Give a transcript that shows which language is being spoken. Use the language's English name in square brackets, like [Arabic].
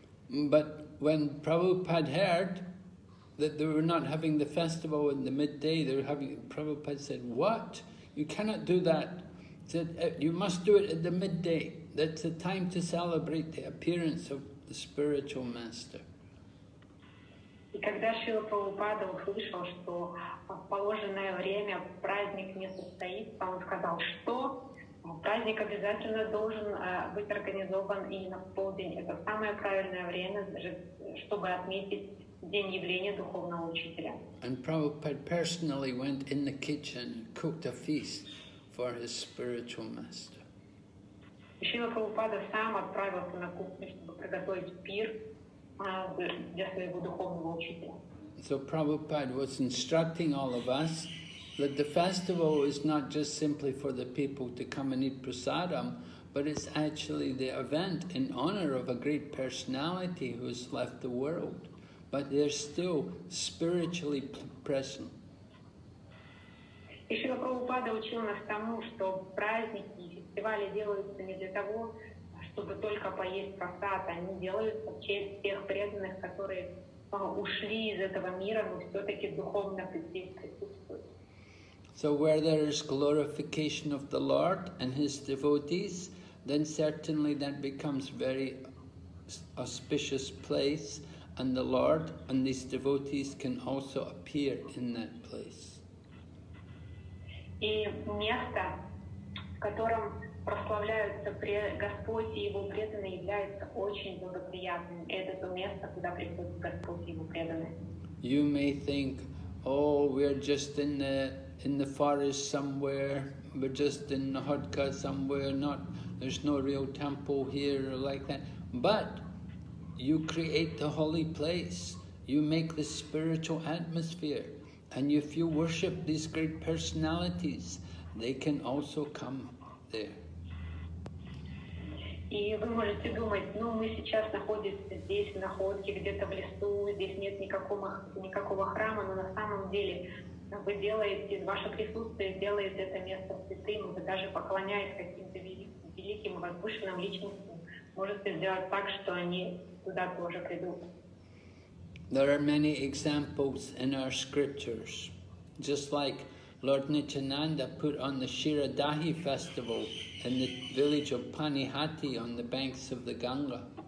[English] But when Prabhupada heard that they were not having the festival in the midday, they were having, Prabhupada said, what? You cannot do that. He said, you must do it at the midday. That's the time to celebrate the appearance of the spiritual master. [Russian] И когда Шрила Прабхупада услышал, что в положенное время праздник не состоится, он сказал, что праздник обязательно должен быть организован именно в полдень. Это самое правильное время, чтобы отметить день явления духовного учителя. [English] And Prabhupada personally went in the kitchen and cooked a feast for his spiritual master. [Russian] Шрила Прабхупада сам отправился на кухню, чтобы приготовить пир. [English] So Prabhupada was instructing all of us that the festival is not just simply for the people to come and eat prasadam, but it's actually the event in honor of a great personality who has left the world, but they're still spiritually present. [Russian] И Шрила Прабхупада учил нас тому, что праздники и фестивали делаются не для того, чтобы только поесть просад, они делаются в честь тех преданных, которые ушли из этого мира, но все-таки духовно присутствуют. [English] So where there is glorification of the Lord and His devotees, then certainly that becomes very auspicious place, and the Lord and these devotees can also appear in that place. [Russian] И место, в котором прославляются Господь и Его преданные, является очень благоприятным. Это то место, куда приходят Господь и Его преданные. [English] You may think, oh, we're just in the forest somewhere, we're just in Nahadka somewhere, not, there's no real temple here or like that. But you create the holy place, you make the spiritual atmosphere, and if you worship these great personalities, they can also come there. [Russian] И вы можете думать, ну мы сейчас находимся здесь, в находке, где-то в лесу, здесь нет никакого храма, но на самом деле вы делаете, ваше присутствие делает это место святым, вы даже поклоняясь каким-то великим возвышенным личностям, можете сделать так, что они туда тоже придут. [English] There are many examples in our scriptures, just like Lord Nityananda put on the Shiradahi festival in the village of Panihati on the banks of the Ganga.